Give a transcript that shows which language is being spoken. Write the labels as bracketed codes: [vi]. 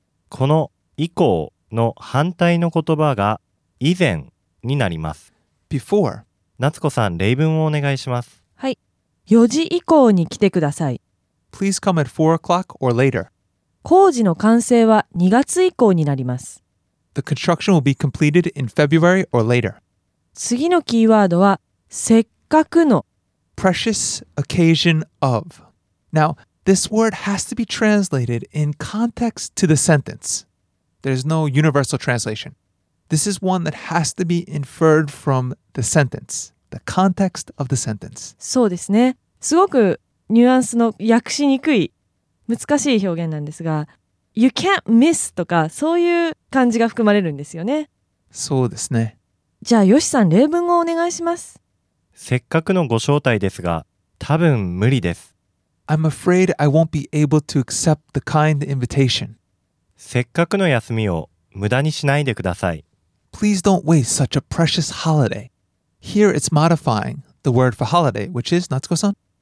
[ja] この以降の反対の言葉が以前になります。 [en] Before。 [ja] 夏子さん、例文をお願いします。はい。 4時以降に来てください。 [en] Please come at 4 o'clock or later。 [ja] 工事の完成は2月以降になります。 [en] The construction will be completed in February or later。 [ja] 次のキーワードはせっかくの。 [en] Precious occasion of。 Now, this word has to be translated in context to the sentence. There's no universal translation. This is one that has to be inferred from the sentence, the context of the sentence. [ja] そうですね。すごくニュアンスの訳しにくい難しい表現なんですが、 [en] You can't miss [ja] とかそういう感じが含まれるんですよね。そうですね。じゃあ、ヨシさん、例文をお願いします。せっかくのご招待ですが、多分無理です。 [en] I'm afraid I won't be able to accept the kind invitation. [ja] せっかくの休みを無駄にしないでください。 [en] Please don't waste such a precious holiday. Here it's modifying the word for holiday, which is, 夏子さん?